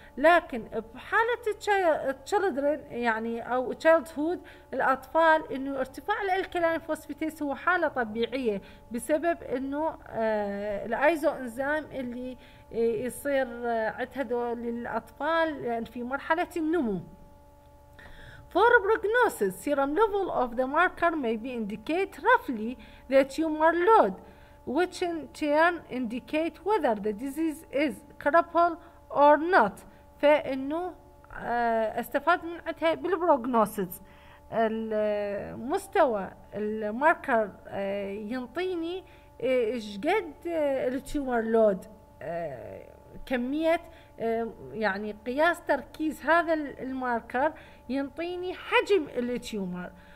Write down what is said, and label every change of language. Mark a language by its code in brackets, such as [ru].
[ar] لكن بحالة تشيلدرن يعني او تشيلدهود الاطفال، انه ارتفاع الالكلان فوسفيتيز هو حالة طبيعية بسبب انه الايزو انزام اللي يصير عند هذول الاطفال يعني في مرحلة النمو. [en] For prognosis, serum level of the marker may be indicate roughly the tumor load, which in turn indicate whether the disease is curable or not. [ar] فإنه استفاد من عدها بالبروغنوسيس، المستوى الماركر ينطيني إيش قد التيومر لود، كمية يعني قياس تركيز هذا الماركر ينطيني حجم التيومر.